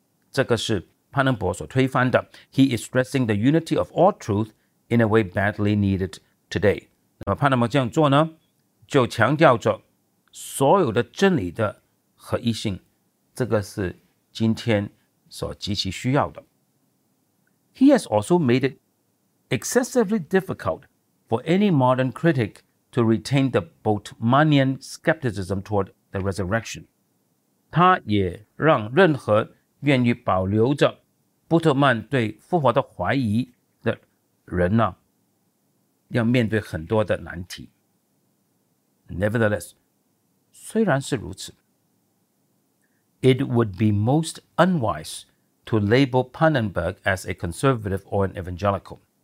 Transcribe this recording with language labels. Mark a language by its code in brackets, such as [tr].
[zh] 这个是潘恩伯所推翻的。 [en] He is stressing the unity of all truth in a way badly needed today. [zh] 那么潘恩伯这样做呢，就强调着所有的真理的合一性，这个是今天所极其需要的。 [en] He has also made it excessively difficult for any modern critic to retain the Bultmannian skepticism toward the resurrection. [zh] 他也让任何愿意保留着布特曼对复活的怀疑的人呢，要面对很多的难题。 [en] Nevertheless, [zh] 虽然是如此， [en] It would be most unwise to label Pannenberg as a conservative or an evangelical.